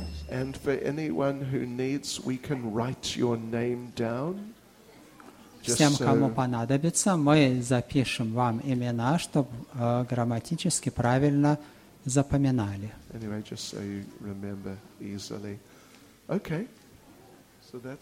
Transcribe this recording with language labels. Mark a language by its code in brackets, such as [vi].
[en] And for anyone who needs, we can write your name down. [ru] Всем, кому понадобится, мы запишем вам имена, чтобы грамматически правильно запоминали. [en] Anyway, just so you remember easily. Okay. So that's